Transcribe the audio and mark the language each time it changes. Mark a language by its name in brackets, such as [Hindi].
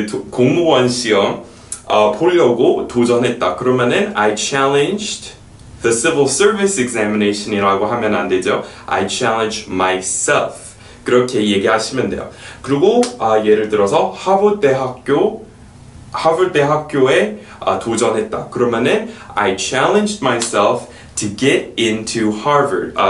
[Korean] 공무원 시험 보려고 도전했다. [English] 그러면은 I challenged the civil service examination 이라고 하면 안 되죠. I challenged myself. [Korean] 그렇게 얘기하시면 돼요. 그리고 예를 들어서 하버드 대학교에 도전했다. [English] 그러면은 I challenged myself to get into Harvard.